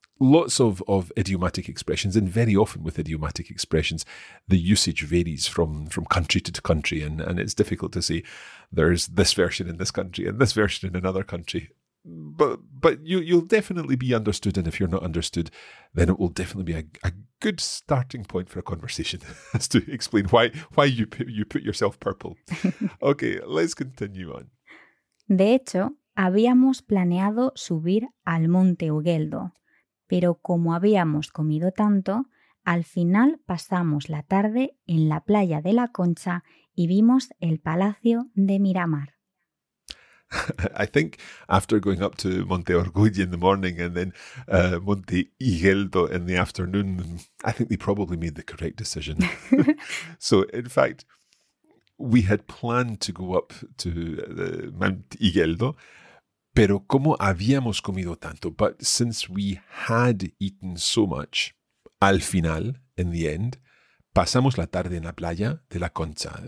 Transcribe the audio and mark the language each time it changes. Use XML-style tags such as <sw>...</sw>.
<en>Lots of idiomatic expressions, and very often with idiomatic expressions, the usage varies from country to country, and it's difficult to say there's this version in this country and this version in another country. But you'll definitely be understood, and if you're not understood, then it will definitely be a good starting point for a conversation as to explain why you put yourself purple. Okay, let's continue on.</en> <es>De hecho, habíamos planeado subir al Monte Ugueldo, pero como habíamos comido tanto, al final pasamos la tarde en la playa de la Concha y vimos el Palacio de Miramar.</es> <en>I think after going up to Monte Orgullo in the morning and then Monte Igeldo in the afternoon, I think they probably made the correct decision. So, in fact, we had planned to go up to Mount Igeldo,</en> <es>pero como habíamos comido tanto,</es> <en>but since we had eaten so much,</en> <es>al final,</es> <en>in the end,</en> <es>pasamos la tarde en la playa de la Concha.</es>